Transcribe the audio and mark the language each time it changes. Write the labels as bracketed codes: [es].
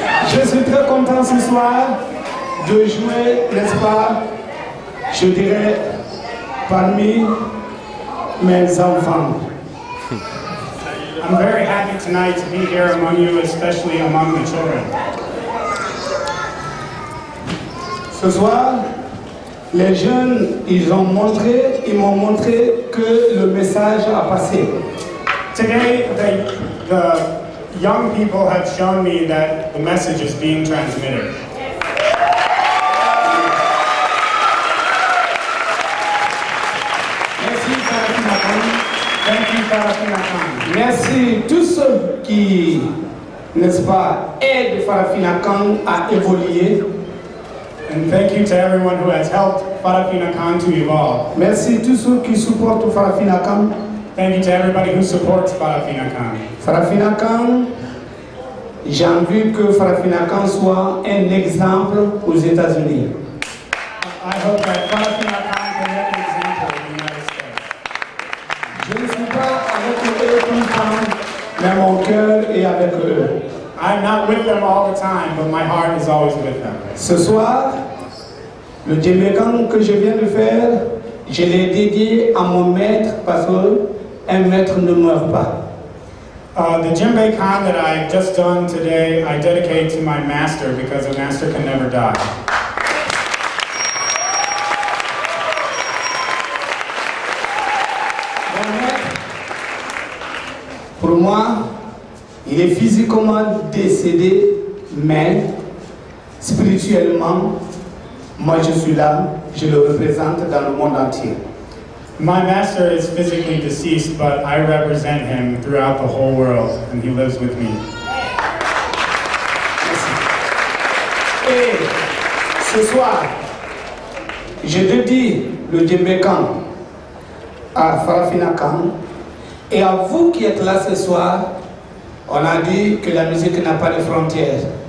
[fr] Je suis très content ce soir de jouer, n'est-ce pas, je dirais, parmi mes enfants. [en] I'm very happy tonight to be here among you, especially among the children. [fr] Ce soir, les jeunes, ils m'ont montré que le message a passé. [en] Today, the young people have shown me that the message is being transmitted. [fr] Merci, Farafina Kan. [en] Thank you, Farafina Kan. [fr] Merci, tous ceux qui, n'est-ce pas, aident Farafina Kan à évoluer. [en] And thank you to everyone who has helped Farafina Kan to evolve. [fr] Merci, tous ceux qui supportent Farafina Kan. [en] Thank you to everybody who supports Farafina Kan. [fr] Farafina Kan, j'ai envie que Farafina Kan soit un exemple aux États-Unis. [en] I hope that Farafina Kan can be an example in the United States. [fr] Je ne suis pas avec eux tout le temps, mais mon cœur est avec eux. [en] I'm not with them all the time, but my heart is always with them. [fr] Ce soir, le Djembe Kan que je viens de faire, je l'ai dédié à mon maître parce que un maître ne meurt pas. [en] The Djembe Kan that I've just done today, I dedicate to my master because a master can never die. [fr] Mon maître, pour moi, il est physiquement décédé, mais spirituellement, moi je suis là, je le représente dans le monde entier. [en] My master is physically deceased, but I represent him throughout the whole world, and he lives with me. [fr] Et ce soir, je dédie le Djembe Kan à Farafina Kan, et à vous qui êtes là ce soir, on a dit que la musique n'a pas de frontières.